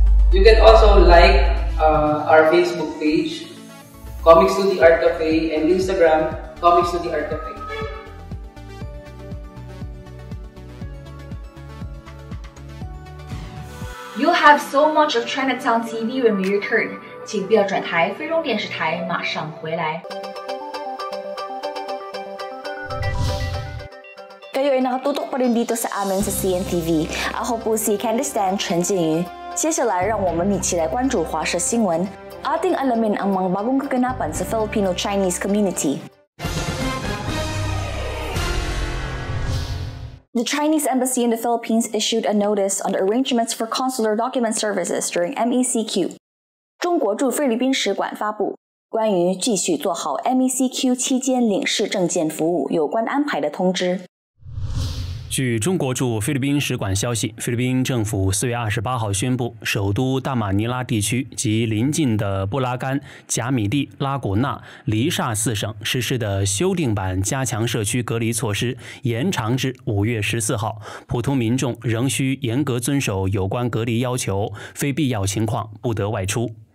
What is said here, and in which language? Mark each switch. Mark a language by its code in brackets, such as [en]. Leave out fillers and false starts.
[en] You can also like our Facebook page, Comics to the Art Cafe, and Instagram, Comics to the Art Cafe. You'll have so much of Chinatown TV when we return. [zh] 请不要转台, 非中电视台, 马上回来。 [tl] Kayo ay nakatutok pa rin dito sa amin sa CNTV. Ako po si Candice Tan, 陈静瑜. [zh] 接下来让我们一起来关注华社新闻, [tl] ating alamin ang mga bagong kaganapan sa Filipino-Chinese community. [en] The Chinese Embassy in the Philippines issued a notice on the arrangements for consular document services during MECQ. [zh] 中国驻菲律宾使馆发布关于继续做好 MECQ期间领事证件服务有关安排的通知。据中国驻菲律宾使馆消息， 菲律宾政府 4月28号宣布， 首都大马尼拉地区及邻近的布拉干、贾米蒂、拉古纳、黎萨四省实施的修订版加强社区隔离措施， 延长至5月14号， 普通民众仍需严格遵守有关隔离要求，非必要情况不得外出。